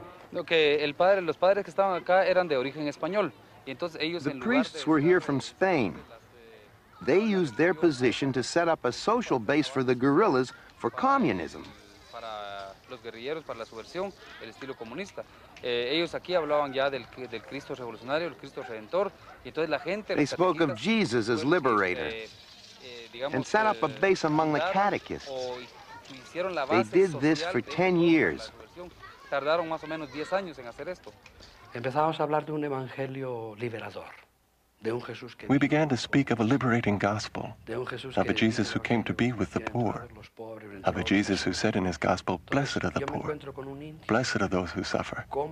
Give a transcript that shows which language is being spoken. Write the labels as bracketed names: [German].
[Spanish] No, que el padre, los padres que estaban acá eran de origen español. Y entonces ellos [English] the priests were here from Spain. They used their position to set up a social base for the guerrillas for communism. [Spanish] Para los guerrilleros, para la subversión, el estilo comunista. Ellos aquí hablaban ya del Cristo revolucionario, el Cristo redentor, y entonces la gente... [English] They spoke of Jesus as liberator and set up a base among the catechists. They did this for 10 years. [Spanish] Tardaron más o menos 10 años en hacer esto. Empezamos a hablar de un evangelio liberador. [English] We began to speak of a liberating gospel, of a Jesus who came to be with the poor, of a Jesus who said in his gospel, blessed are the poor, blessed are those who suffer.